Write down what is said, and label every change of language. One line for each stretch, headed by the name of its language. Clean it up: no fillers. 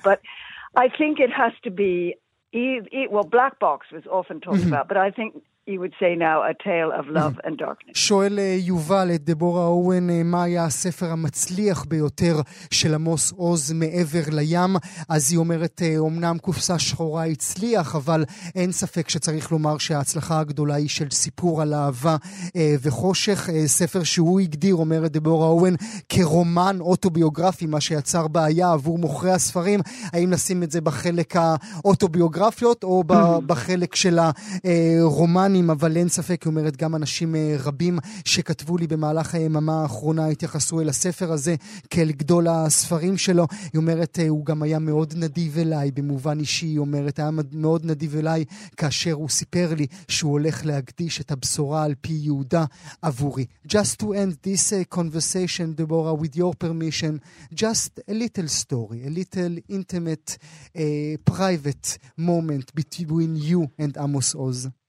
English: But I think it has to be Black Box was often talked mm-hmm. about, but I think you would say now A Tale of Love and Darkness.
Hebrew: שואל יובל את דבורה אוהן, מה היה הספר המצליח ביותר של עמוס עוז מעבר לים? אז היא אומרת, אמנם קופסה שחורה הצליח, אבל אין ספק שצריך לומר שההצלחה הגדולה היא של סיפור על אהבה וחושך. ספר שהוא הגדיר, אומרת דבורה אוהן, כרומן אוטוביוגרפי, מה שיצר בעיה עבור מוכרי הספרים, האם לשים את זה בחלק האוטוביוגרפיות או בחלק של הרומן? אבל אין ספק, היא אומרת, גם אנשים רבים שכתבו לי במהלך היממה האחרונה התייחסו אל הספר הזה כאל גדול הספרים שלו. היא אומרת, הוא גם היה מאוד נדיב אליי במובן אישי, היא אומרת, היה מאוד נדיב אליי כאשר הוא סיפר לי שהוא הולך להקדיש את הבשורה על פי יהודה עבורי.
English: Just to end this conversation, Deborah, with your permission, just a little story, a little intimate private moment between you and Amos Oz.